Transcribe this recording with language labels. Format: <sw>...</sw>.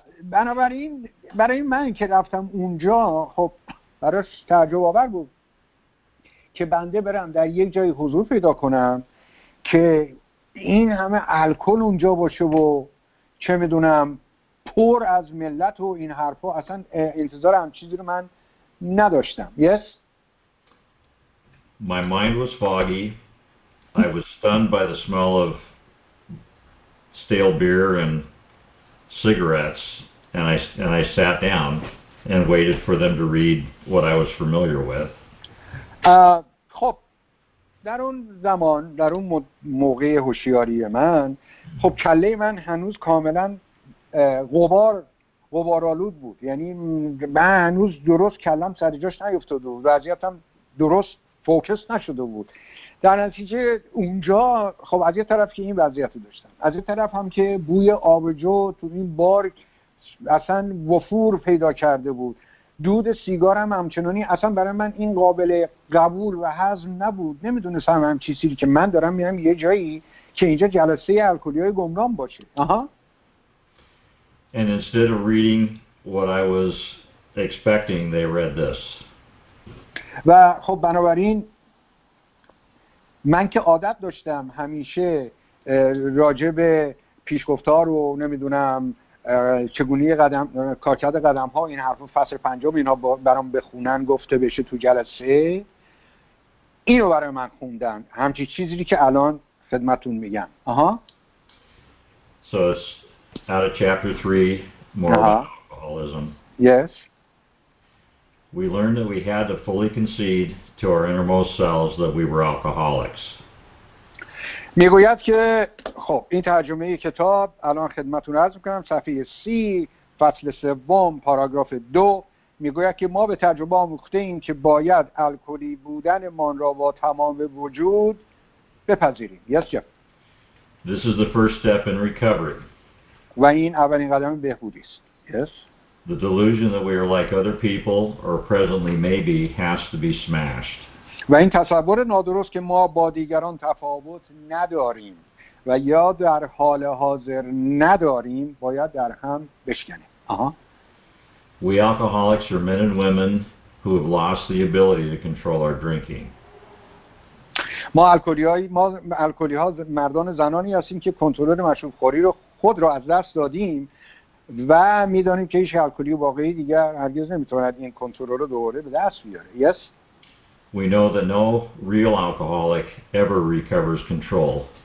<fa>بنابراین برای من که رفتم اونجا خب براش تعجب آور بود که بنده برم در یک جای حضور پیدا کنم که این همه الکل اونجا باشه و چه میدونم پر از ملت و این حرفا. اصلا انتظار هم چیزی رو من نداشتم.</fa> <en>Yes? My mind was foggy. I was stunned by the smell of stale beer and cigarettes, and I sat down and waited for them to read what I was familiar with.</en> <fa>خب در اون زمان در اون موقع هوشیاری من خب کله من هنوز کاملا غبارآلود بود، یعنی من هنوز درست کلم سر جاش نیفتاده بود، وضعیتم درست فوکس نشده بود. در نتیجه اونجا خب از یه طرف که این وضعیتو داشتم، از یه طرف هم که بوی آبجو تو این بار اصلا وفور پیدا کرده بود، دود سیگارم همچنانی اصلا برای من این قابل قبول و هضم نبود. نمیدونستم هم چیزی که من دارم میام یه جایی که اینجا جلسه الکلی‌های گمنام باشه. آها.</fa> <en>And instead of reading what I was expecting, they read this.</en> <fa>و خب بنابراین من که عادت داشتم همیشه راجع به پیشگفتار و نمیدونم چگونی قدم کارکرد قدم ها این حرف فصل پنجم اینا برام بخونن گفته بشه تو جلسه، اینو برای من خوندن، همچی چیزی که الان خدمتون میگم. آها.</fa> <en>So it's out of chapter 3, more about alcoholism. Yes. We learned that we had to fully concede to our innermost selves that we were alcoholics.</en> <fa>میگوید که خب این ترجمه کتاب الان خدمتتون عرض می‌کنم، صفحه 30 فصل 3 پاراگراف 2 میگوید که ما به تجربه آموخته این که باید الکلی بودن من را با تمام وجود بپذیریم.</fa> <en>Yes, Jeff. This is the first step in recovery.</en> <fa>و این اولین قدم بهبودی است.</fa> <en>Yes. The delusion that we are like other people or presently maybe has to be smashed.</en> <fa>و این تصور نادرست که ما با دیگران تفاوت نداریم و یا در حال حاضر نداریم باید در هم بشکنیم.</fa> <en>We alcoholics are men and women who have lost the ability to control our drinking.</en> <fa>ما الکلی‌ها مردان زنانی هستیم که کنترل مشروب خوری رو خود را از دست دادیم و میدانیم که هیچ الکلی واقعی دیگر هرگز نمیتواند این کنترل رو دوباره به دست بیاره.</fa> <en>Yes. We know that no real alcoholic ever recovers control.</en>